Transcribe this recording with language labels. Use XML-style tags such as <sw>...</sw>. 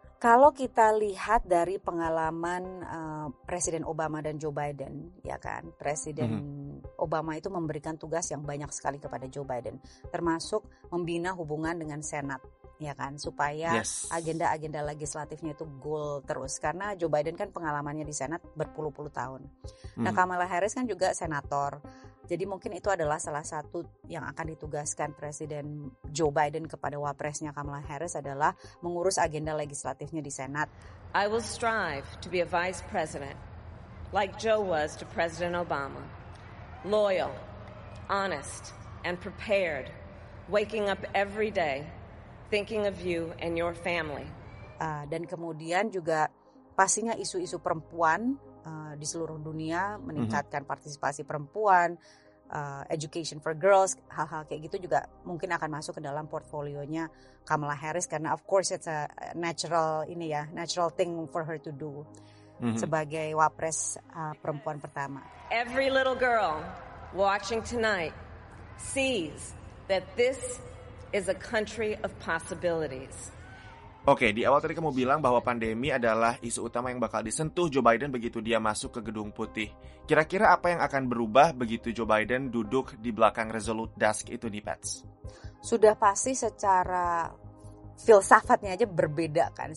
<id>Kalau kita lihat dari pengalaman Presiden Obama dan Joe Biden, ya kan, Presiden Obama itu memberikan tugas yang banyak sekali kepada Joe Biden, termasuk membina hubungan dengan Senat, ya kan, supaya agenda-agenda legislatifnya itu goal terus. Karena Joe Biden kan pengalamannya di Senat berpuluh-puluh tahun. Nah, Kamala Harris kan juga senator. Jadi mungkin itu adalah salah satu yang akan ditugaskan Presiden Joe Biden kepada wapresnya Kamala Harris adalah mengurus agenda legislatifnya di Senat.</id> <en>I will strive to be a vice president like Joe was to President Obama. Loyal, honest, and prepared, waking up every day thinking of you and your family.</en> <id>Dan kemudian juga pastinya isu-isu perempuan di seluruh dunia, meningkatkan partisipasi perempuan,</id> <en>education for girls,</en> <id>hal-hal kayak gitu juga mungkin akan masuk ke dalam portfolionya Kamala Harris, karena</id> <en>of course it's a natural</en> <id>ini ya,</id> <en>natural thing for her to do</en> <id>sebagai wapres perempuan pertama.</id> <en>Every little girl watching tonight sees that this is a country of possibilities.</en> <id>Oke, di awal tadi kamu bilang bahwa pandemi adalah isu utama yang bakal disentuh Joe Biden begitu dia masuk ke Gedung Putih. Kira-kira apa yang akan berubah begitu Joe Biden duduk di belakang Resolute Desk itu nih, Pats? Sudah pasti secara filsafatnya aja berbeda kan.</id>